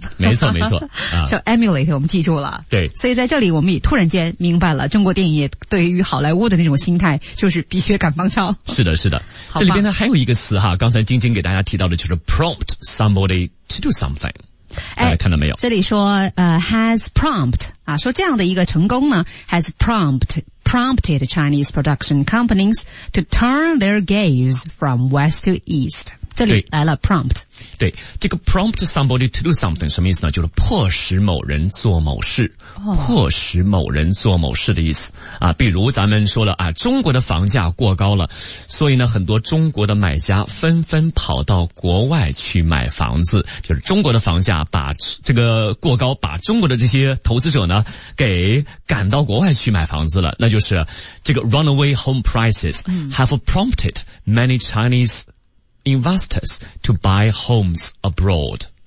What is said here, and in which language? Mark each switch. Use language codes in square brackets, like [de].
[zh] 没错没错。叫 emulate 我们记住了。对。所以在这里我们也突然间明白了中国电影业对于好莱坞的那种心态，就是比学赶帮抄。是的是的。这里边呢还有一个词哈，刚才晶晶给大家提到的就是 prompt somebody to do something。看到没有， [en] 这里说 has prompt 啊，说这样的一个成功呢 has prompted Chinese production companies to turn their gaze from west to east。 [zh] 这里来了 prompt。对，这个 prompt somebody to do something 什么意思呢？就是迫使某人做某事、迫使某人做某事的意思啊。比如咱们说了啊，中国的房价过高了，所以呢很多中国的买家纷纷跑到国外去买房子，就是中国的房价把这个过高把中国的这些投资者呢给赶到国外去买房子了，那就是这个 runaway home prices have prompted many Chineseinvestors to buy homes abroad。